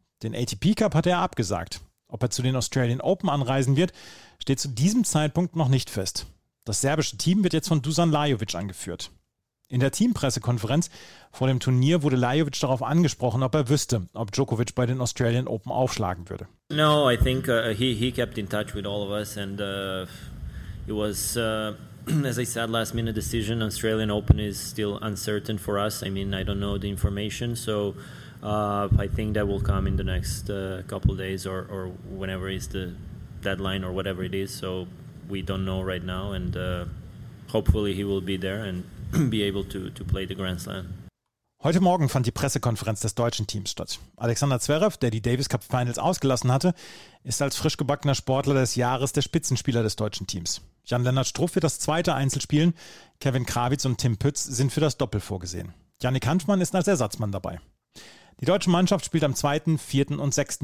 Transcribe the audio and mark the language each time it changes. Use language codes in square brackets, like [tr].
[de] Den ATP Cup hatte er abgesagt. Ob er zu den Australian Open anreisen wird, steht zu diesem Zeitpunkt noch nicht fest. Das serbische Team wird jetzt von Dusan Lajovic angeführt. In der Teampressekonferenz vor dem Turnier wurde Lajovic darauf angesprochen, ob er wüsste, ob Djokovic bei den Australian Open aufschlagen würde. [en] No, I think he kept in touch with all of us and it was as I said, last minute decision. Australian Open is still uncertain for us. I mean, I don't know the information, so I think that will come in the next couple of days or whenever is the deadline or whatever it is. So we don't know right now and hopefully he will be there and be able to play the Grand Slam. [de] Heute Morgen fand die Pressekonferenz des deutschen Teams statt. Alexander Zverev, der die Davis Cup Finals ausgelassen hatte, ist als frisch gebackener Sportler des Jahres der Spitzenspieler des deutschen Teams. Jan-Lennard Struff wird das zweite Einzel spielen. Kevin Krawitz und Tim Pütz sind für das Doppel vorgesehen. Jannik Hanfmann ist als Ersatzmann dabei. Die deutsche Mannschaft spielt am 2., 4. und 6.